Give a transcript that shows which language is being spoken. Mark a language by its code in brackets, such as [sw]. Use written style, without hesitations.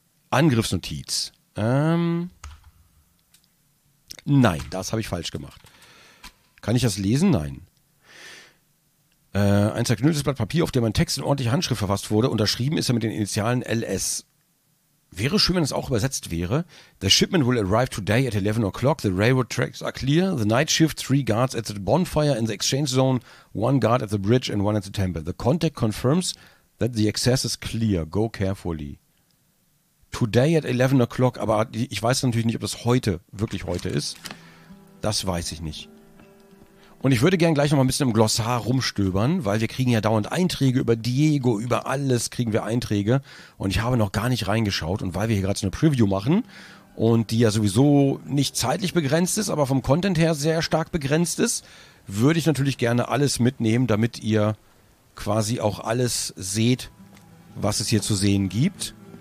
[de] Angriffsnotiz. Nein, das habe ich falsch gemacht. Kann ich das lesen? Nein. Ein zerknülltes Blatt Papier, auf dem ein Text in ordentlicher Handschrift verfasst wurde. Unterschrieben ist er mit den Initialen LS. Wäre schön, wenn es auch übersetzt wäre. [en] The shipment will arrive today at 11 o'clock. The railroad tracks are clear. The night shift, 3 guards at the bonfire in the exchange zone. 1 guard at the bridge and 1 at the temple. The contact confirms that the access is clear. Go carefully. Today at 11 o'clock, [de] aber ich weiß natürlich nicht, ob das heute, wirklich heute ist. Das weiß ich nicht. Und ich würde gerne gleich nochmal ein bisschen im Glossar rumstöbern, weil wir kriegen ja dauernd Einträge über Diego, über alles kriegen wir Einträge. Und ich habe noch gar nicht reingeschaut und weil wir hier gerade so eine Preview machen und die ja sowieso nicht zeitlich begrenzt ist, aber vom Content her sehr stark begrenzt ist, würde ich natürlich gerne alles mitnehmen, damit ihr quasi auch alles seht, was es hier zu sehen gibt.